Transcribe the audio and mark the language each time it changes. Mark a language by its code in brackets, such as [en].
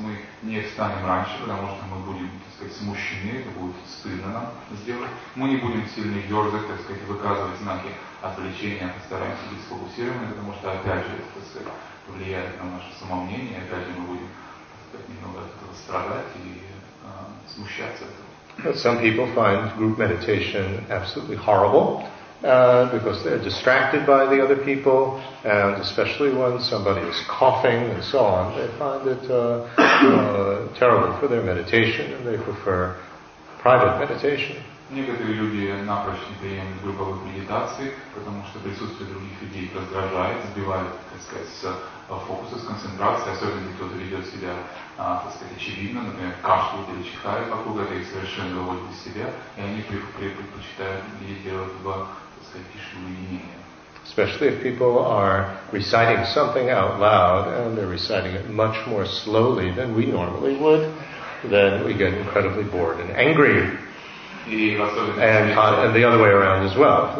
[ru] Мы не встанем раньше, потому что мы будем, так сказать, смущены, это будет стыдно нам сделать. Мы не будем сильно дерзать, так сказать, выказывать знаки отвлечения, постараемся быть сфокусированными, потому что опять же это, так сказать, влияет на наше самомнение, опять же мы будем, так сказать, немного от этого страдать и смущаться от этого. [en] Some people find group meditation absolutely horrible. Because they're distracted by the other people, and especially when somebody is coughing and so on, they find it terrible for their meditation, and they prefer private meditation. [ru] Некоторые люди напрочь не приемлют групповых медитаций, потому что присутствие других людей раздражает, сбивает, так сказать, с фокуса, с концентрации, особенно если кто-то ведет себя, так сказать, очевидно, например, кашляет или чихает вокруг, это их совершенно выводит из себя, и они предпочитают медитировать в, так сказать, тишине. [en] Especially if people are reciting something out loud, and they're reciting it much more slowly than we normally would, then we get incredibly bored and angry. And the other way around as well.